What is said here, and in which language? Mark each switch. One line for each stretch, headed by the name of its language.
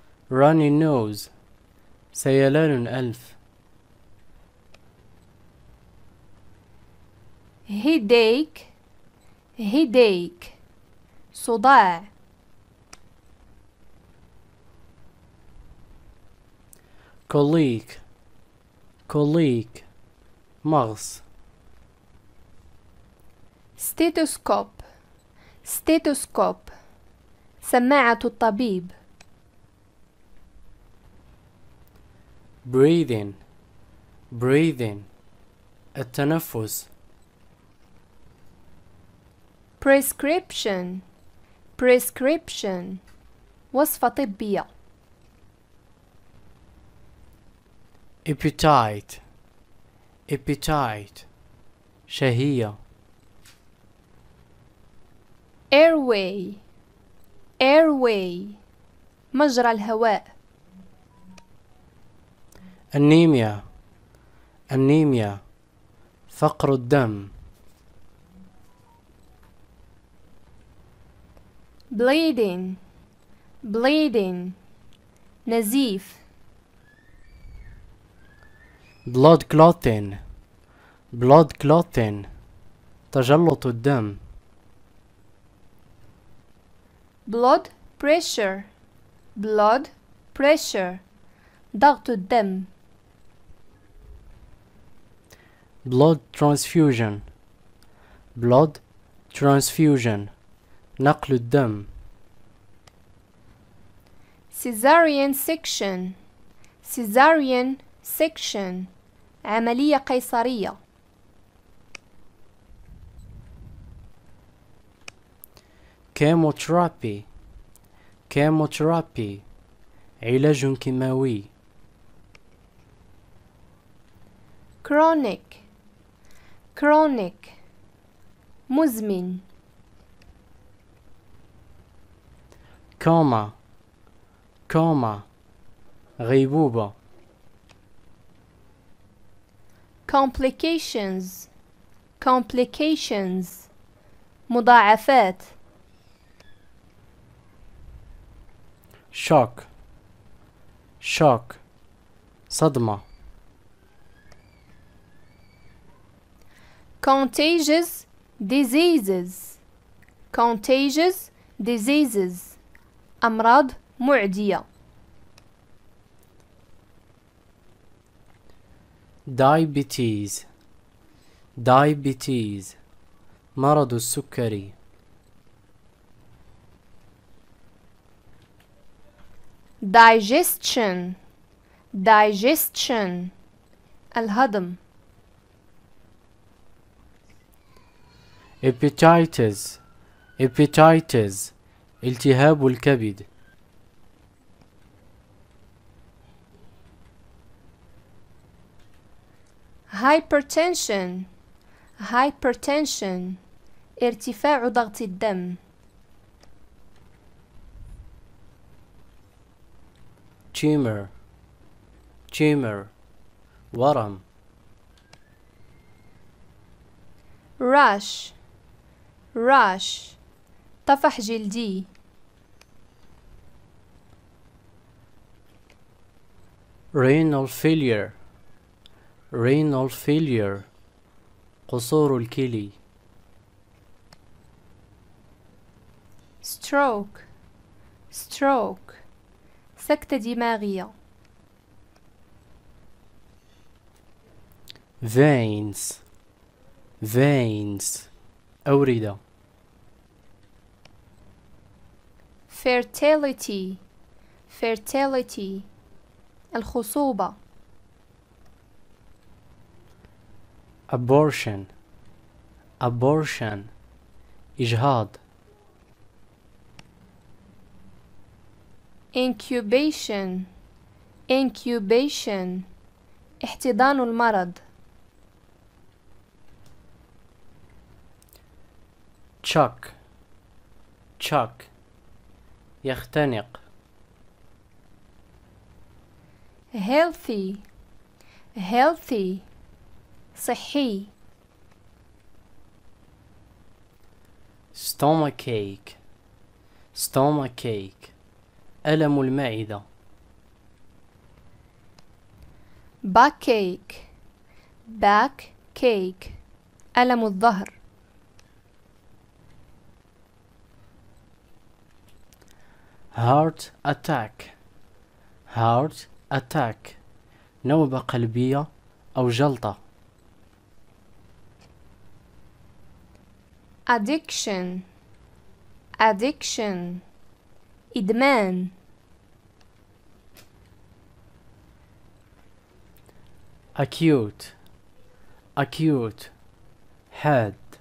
English: runny nose
Arabic: سيلان أنف
English: headache headache
Arabic: صداع
English: colic colic
Arabic: مغص
English: stethoscope stethoscope
Arabic: سماعة الطبيب
English: breathing breathing
Arabic: التنفس
English: prescription prescription
Arabic: وصفة طبية
English: appetite appetite
Arabic: شهية
English: airway airway
Arabic: مجرى الهواء
English: anaemia anaemia
Arabic: فقر الدم
English: bleeding bleeding
Arabic: نزيف
English: blood clotting blood clotting
Arabic: تجلط الدم
English: blood pressure blood pressure
Arabic: ضغط الدم
English: blood transfusion blood transfusion
Arabic: نقل الدم
English: cesarean section cesarean section
Arabic: عملية قيصرية
English: chemotherapy chemotherapy
Arabic: علاج كيماوي
English: chronic chronic
Arabic: مزمن
English: coma coma
Arabic: غيبوبة
English: complications complications
Arabic: مضاعفات
English: shock shock
Arabic: صدمة
English: contagious diseases contagious diseases
Arabic: أمراض معدية
English: diabetes diabetes
Arabic: مرض السكري
English: digestion digestion
Arabic: الهضم
English: Epititis, epititis,
Arabic: التهاب الكبد.
English: Hypertension, hypertension,
Arabic: ارتفاع ضغط الدم.
English: Tumor, tumor,
Arabic: ورم.
English: Rash. Rash
Arabic: طفح جلدي
English: renal failure renal failure
Arabic: قصور الكلي
English: stroke stroke
Arabic: سكتة دماغية
English: veins veins
Arabic: أوردة
English: fertility fertility
Arabic: الخصوبة
English: abortion abortion
Arabic: إجهاض
English: incubation incubation
Arabic: احتضان المرض
English: chuck chuck
Arabic: يختنق
English: healthy healthy
Arabic: صحي
English: stomachache stomachache
Arabic: ألم المعدة
English: backache backache
Arabic: ألم الظهر
English: heart attack heart attack
Arabic: نوبة قلبية أو جلطة
English: addiction addiction
Arabic: إدمان
English: acute acute
Arabic: حاد